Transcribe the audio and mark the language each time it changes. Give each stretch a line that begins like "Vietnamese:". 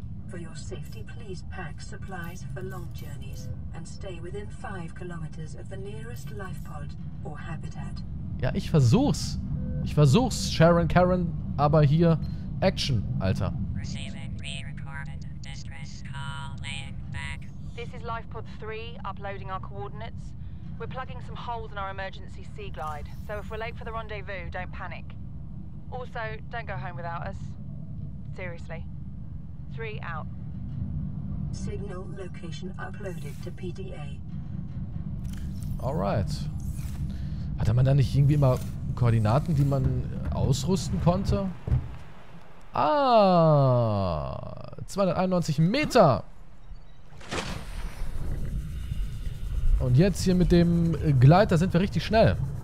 English: For your safety, please pack supplies for long journeys and stay within 5 kilometers of the nearest life pod or habitat.
German: Ja, ich versuch's. Ich versuch's, Sharon Karen, aber hier Action, Alter.
English: Receiving re-recorded distress call, laying back. This is life pod 3, uploading our coordinates. We're plugging some holes in our emergency sea glide, so if we're late for the rendezvous, don't panic. Also, don't go home without us. Seriously. 3 out. Signal location uploaded to PDA. Alright.
German: Hatte man da nicht irgendwie immer Koordinaten, die man ausrüsten konnte? Ah! 291 Meter! Und jetzt hier mit dem Gleiter sind wir richtig schnell.